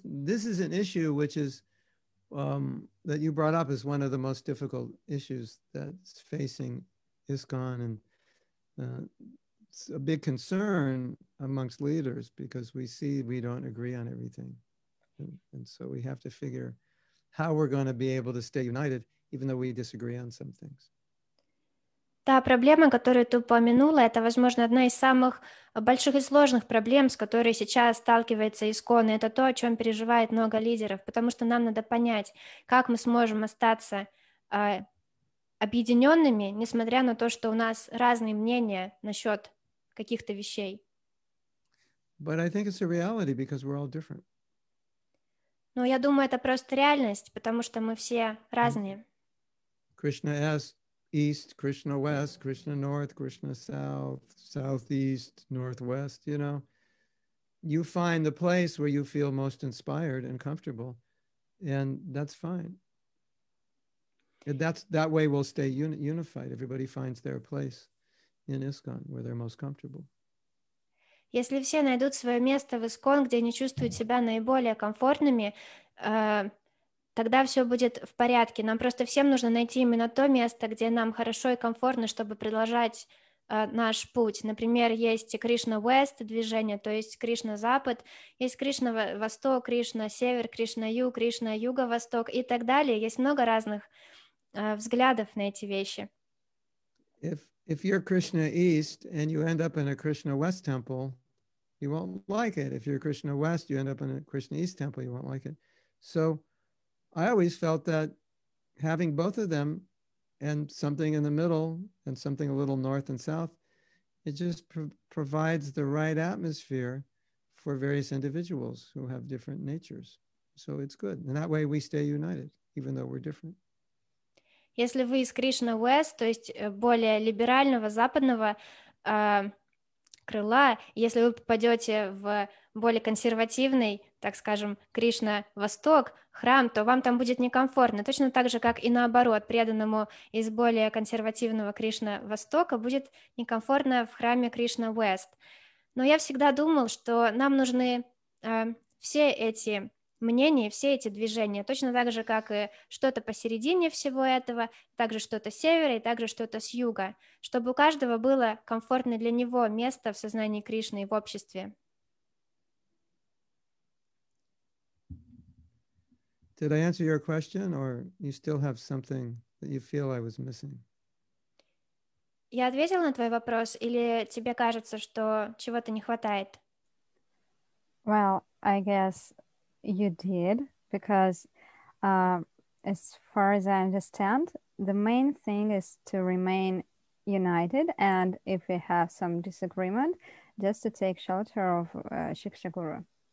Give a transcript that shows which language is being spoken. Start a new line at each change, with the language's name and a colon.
English: This is an issue which is that you brought up is one of the most difficult issues that's facing ISKCON, and it's a big concern amongst leaders because we see we don't agree on everything. And so we have to figure how we're going to be able to stay united, even though we disagree on some things.
Russian: Та проблема, которую ты упомянула, это, возможно, одна из самых больших и сложных проблем, с которой сейчас сталкивается ИСККОН. И это то, о чем переживает много лидеров, потому что нам надо понять, как мы сможем остаться объединенными, несмотря на то, что у нас разные мнения насчет каких-то вещей.
English: But I think it's a reality because we're all different.
Russian: Но я думаю, это просто реальность, потому что мы все разные.
English: Krishna asked, East, Krishna West, Krishna North, Krishna South, Southeast, Northwest, you know. You find the place where you feel most inspired and comfortable, and that's fine. And that way we'll stay unified. Everybody finds their place in ISKCON where they're most comfortable.
Russian: Если все найдут свое место в ИСККОН, где они чувствуют себя наиболее комфортными, тогда все будет в порядке. Нам просто всем нужно найти именно то место, где нам хорошо и комфортно, чтобы продолжать наш путь. Например, есть Кришна Уэст движение, то есть Кришна Запад, есть Кришна Восток, Кришна Север, Кришна Юг, Кришна Юго-Восток и так далее. Есть много разных взглядов на эти вещи.
English: If you're Krishna East and you end up in a Krishna West temple, you won't like it. If you're Krishna West, you end up in a Krishna East temple, you won't like it. So I always felt that having both of them and something in the middle and something a little north and south, it just provides the right atmosphere for various individuals who have different natures. So it's good. And that way we stay united, even though we're different.
Russian: Если вы из Krishna West, то есть более либерального, западного крыла, если вы попадете в более консервативный, так скажем, Кришна Восток, храм, то вам там будет некомфортно. Точно так же, как и наоборот, преданному из более консервативного Кришна Востока будет некомфортно в храме Кришна Уэст. Но я всегда думал, что нам нужны все эти мнения, все эти движения, точно так же, как и что-то посередине всего этого, также что-то с севера и также что-то с юга, чтобы у каждого было комфортное для него место в сознании Кришны и в обществе.
English: Did I answer your question, or you still have something that you feel I was missing?
Russian: Я ответила на твой вопрос, или тебе кажется, что чего-то не хватает?
English: Well, I guess you did, because as far as I understand, the main thing is to remain united, and if we have some disagreement, just to take shelter of Shikshaguru.